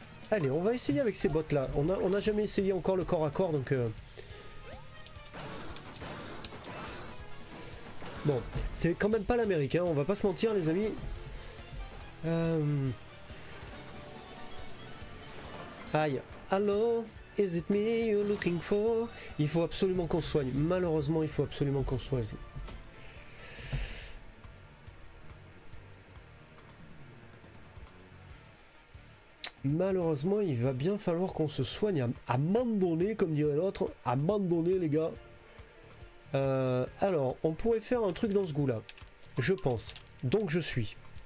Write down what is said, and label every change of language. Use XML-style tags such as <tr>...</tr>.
<fr>Allez, on va essayer avec ces bottes-là. On a jamais essayé encore le corps à corps, donc... Bon, c'est quand même pas l'Amérique, hein. On va pas se mentir, les amis.</fr> <en>Aïe, hello, is it me you're looking for?</en> <fr>Il faut absolument qu'on soigne. Malheureusement, il faut absolument qu'on soigne. Malheureusement, il va bien falloir qu'on se soigne. Abandonner, comme dirait l'autre. Abandonner, les gars. Alors, on pourrait faire un truc dans ce goût-là. Je pense. Donc, je suis.</fr>